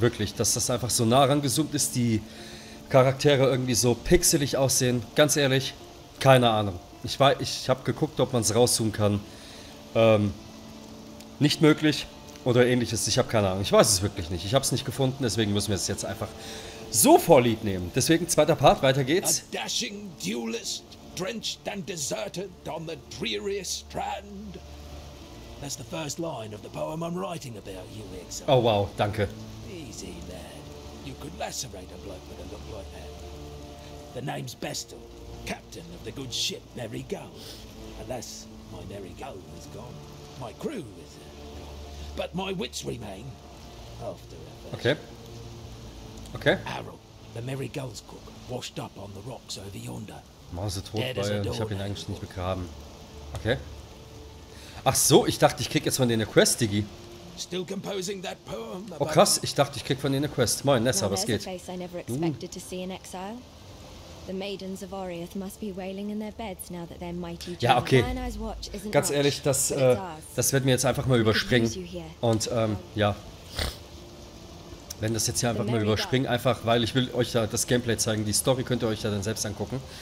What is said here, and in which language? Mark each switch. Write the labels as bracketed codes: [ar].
[de] Wirklich, dass das einfach so nah rangezoomt ist, die Charaktere irgendwie so pixelig aussehen. Ganz ehrlich, keine Ahnung. Ich habe geguckt, ob man es rauszoomen kann. Nicht möglich oder ähnliches. Ich habe keine Ahnung. Ich weiß es wirklich nicht. Ich habe es nicht gefunden, deswegen müssen wir es jetzt einfach so vorlieb nehmen. Deswegen zweiter Part, weiter geht's. [en] A dashing duelist, drenched and deserted on the dreary strand. That's the first line of the poem I'm writing about you, Exile. [de] Oh wow, danke. [en] Easy, lad. You could lacerate a bloke with a look like that. The name's Bestel, captain of the good ship Merry Go. Alas, my Merry Go is gone. My crew is gone. But my wits remain. After a fashion. Okay. Okay. Harold, the Merry Go's cook, washed up on the rocks over yonder. [de] Mausetot, weil ich habe ihn eigentlich nicht begraben. Okay. Ach so, ich dachte, ich krieg jetzt von denen eine Quest, Digi. [en] Still composing that poem. [de] Oh krass, ich dachte, ich krieg von denen eine Quest. Moin, Nessa, was geht? [en] Well, I never expected to see in exile. The maidens of Aureath must be wailing in their beds now that their mighty ja, okay. [de] Ganz ehrlich, das werden wir jetzt einfach mal überspringen. Und ja. Wenn das jetzt hier einfach mal überspringen, einfach weil ich will euch da das Gameplay zeigen, die Story könnt ihr euch da dann selbst angucken.